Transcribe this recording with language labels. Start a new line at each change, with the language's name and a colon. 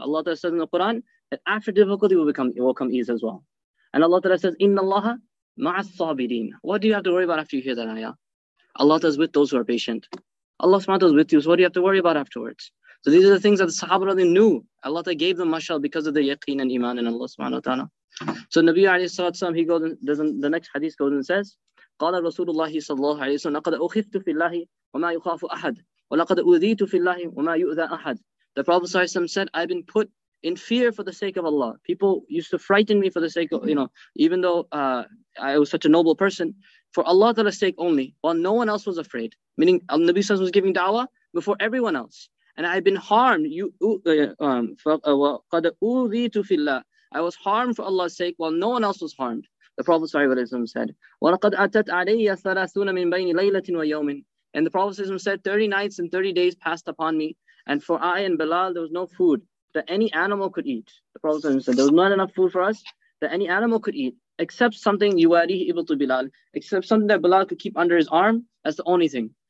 English: Allah Ta'ala says in the Quran, that after difficulty will come ease as well. And Allah Ta'ala says,
Arabic: Inna Allaha ma'as sabirin.
English: What do you have to worry about after you hear that ayah? Allah is with those who are patient. Allah is with you. So what do you have to worry about afterwards? So these are the things that the Sahaba knew. Allah Ta'ala gave them mashal because of the yaqeen and iman in Allah subhanahu wa ta'ala. So Nabi alayhi salatu wasalam, he goes and doesn't, the next hadith goes and says,
Arabic: قَالَ رَسُولُ اللَّهِ صَلَّى اللَّهُ عَلَيْهِ وَسَلَّمَ لَقَدْ أُخِفْتُ فِي اللَّهِ وَمَا يُخَافُ أَحَدٌ وَلَقَدْ أُذِيتُ فِي اللَّهِ وَمَا يُؤْذَى أَحَدٌ.
English: The Prophet sallallahu alaihi wasallam said, I've been put in fear for the sake of Allah. People used to frighten me for the sake of, you know, even though I was such a noble person, for Allah Ta'ala's sake only, while no one else was afraid. Meaning Nabi sallallahu alaihi wasallam was giving da'wah before everyone else. And I've been harmed.
Arabic: قَدْ أُذِيتُ فِي اللَّهِ.
English: I was harmed for Allah's sake while no one else was harmed. The Prophet said,
Arabic: وَلَقَدْ أَتَتْ عَلَيَّ ثَلَاثُونَ مِنْ بَيْنِ لَيْلَةٍ وَيَوْمٍ.
English: And the Prophet said, 30 nights and 30 days passed upon me. And for I and Bilal, there was no food that any animal could eat. The Prophet said, there was not enough food for us that any animal could eat, except something
Arabic: يُوَارِيهِ إِبْلُ بِلَال,
English: except something that Bilal could keep under his arm. That's the only thing.